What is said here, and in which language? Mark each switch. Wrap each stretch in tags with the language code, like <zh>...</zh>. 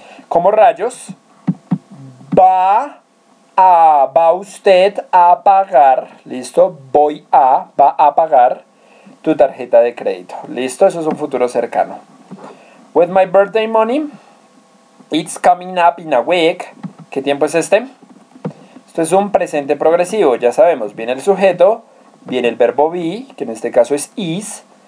<es>Como rayos, va usted a pagar, listo, voy a, va a pagar tu tarjeta de crédito. Listo, eso es un futuro cercano.</es> <en>With my birthday money, it's coming up in a week.</en> <es>¿Qué tiempo es este? Esto es un presente progresivo, ya sabemos. Viene el sujeto, viene el verbo be, que en este caso es is.</es>